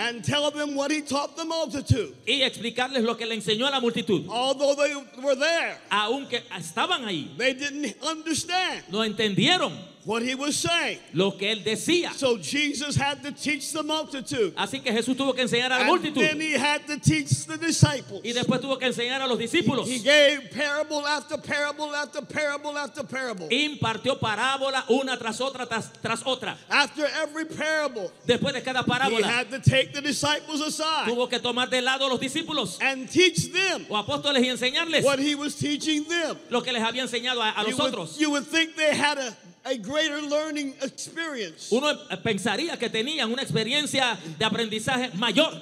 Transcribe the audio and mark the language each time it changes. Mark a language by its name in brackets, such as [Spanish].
[English] And tell them what he taught the multitude. [Spanish] Y explicarles lo que le enseñó a la multitud. [English] Although they were there, [Spanish] aunque estaban ahí, [English] they didn't understand. [Spanish] No entendieron [English] what he was saying. [Spanish] Lo que él decía. [English] So Jesus had to teach the multitude. [Spanish] Así que Jesús tuvo que enseñar a la multitud. [English] And then he had to teach the disciples. [Spanish] Y después tuvo que enseñar a los discípulos. [English] He gave parable after parable after parable after parable. [Spanish] Impartió parábola una tras otra tras otra. [English] After every parable. [Spanish] Después de cada parábola. [English] He had to take the disciples aside. [Spanish] Tuvo que tomar de lado a los discípulos. [English] And teach them. [Spanish] O apóstoles, y enseñarles. [English] What he was teaching them. [Spanish] Lo que les había enseñado a los otros. [English] You would think they had a greater learning experience. [Spanish] Uno pensaría que tenían una experiencia de aprendizaje mayor.